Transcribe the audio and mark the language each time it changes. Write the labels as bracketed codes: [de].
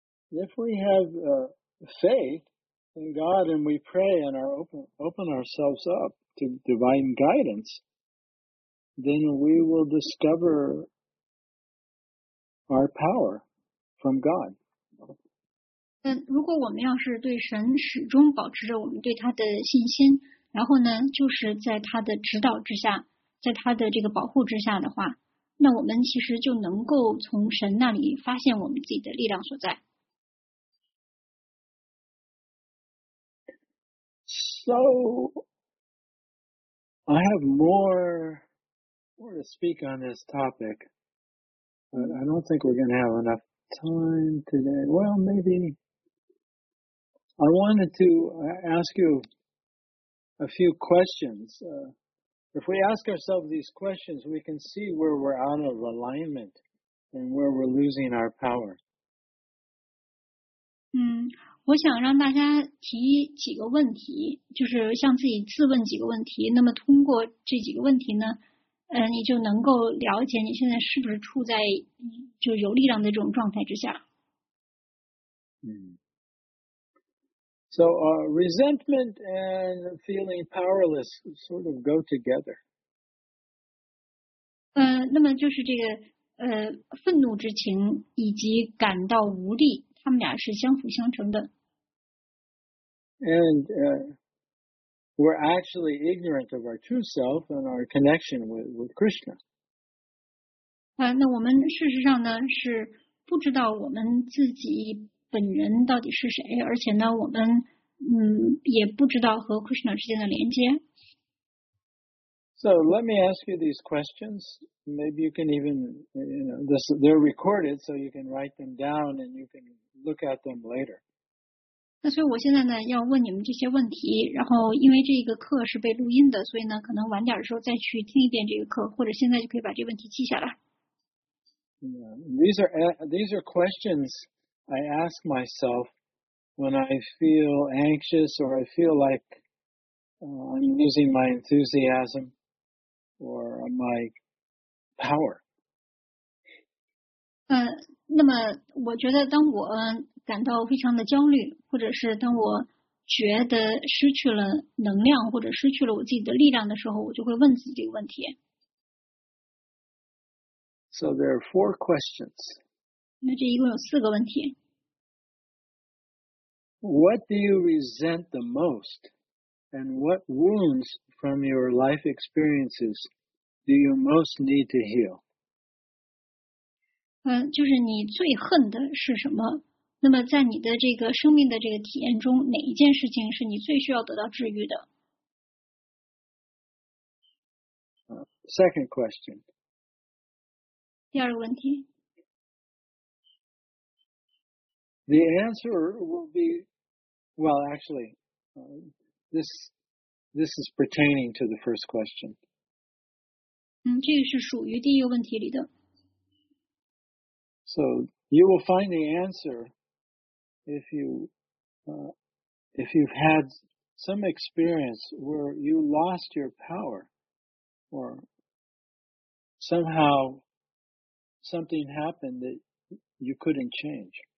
[en] If we have faith,in God and we pray and are open ourselves up to divine guidance, then we will discover our power from God. [zh] 如果我们要是对神始终保持着我们对他的信心，然后呢就是在他的指导之下，在他的这个保护之下的话，那我们其实就能够从神那里发现我们自己的力量所在。 [en] So, I have more to speak on this topic, but I don't think we're going to have enough time today. Well, maybe. I wanted to ask you a few questions. If we ask ourselves these questions, we can see where we're out of alignment and where we're losing our power. [zh] 我想让大家提几个问题，就是向自己自问几个问题，那么通过这几个问题呢，你就能够了解你现在是不是处在就有力量的这种状态之下。 [en] So, resentment and feeling powerless sort of go together. [zh] 那么就是这个愤怒之情以及感到无力，他们俩是相辅相成的。 [en] And we're actually ignorant of our true self and our connection with Krishna. [zh] 那我们事实上呢是不知道我们自己本人到底是谁，而且呢我们也不知道和 Krishna 之间的连接。 [en] So let me ask you these questions. Maybe you can even, you know, they're recorded, so you can write them down and you can look at them later. [zh] 那所以我现在呢要问你们这些问题，然后因为这个课是被录音的，所以呢可能晚点的时候再去听一遍这个课，或者现在就可以把这个问题记下来。 [en] Yeah, these are questions I ask myself when I feel anxious or I feel like I'm losing my enthusiasm or my power. [zh] 那么我觉得当我感到非常的焦虑，或者是当我觉得失去了能量，或者失去了我自己的力量的时候，我就会问自己这个问题。 [en] So there are four questions. [zh] 那这一共有四个问题。 [en] What do you resent the most? And what wounds from your life experiences do you most need to heal? [zh] 就是你最恨的是什么？那么在你的这个生命的这个体验中，哪一件事情是你最需要得到治愈的？ [en] Second question. [zh] 第二个问题。 [en] The answer will be, well, actually, this is pertaining to the first question. [zh] 这个是属于第一个问题里的。 [en] So you will find the answer. If you've had some experience where you lost your power, or somehow something happened that you couldn't change,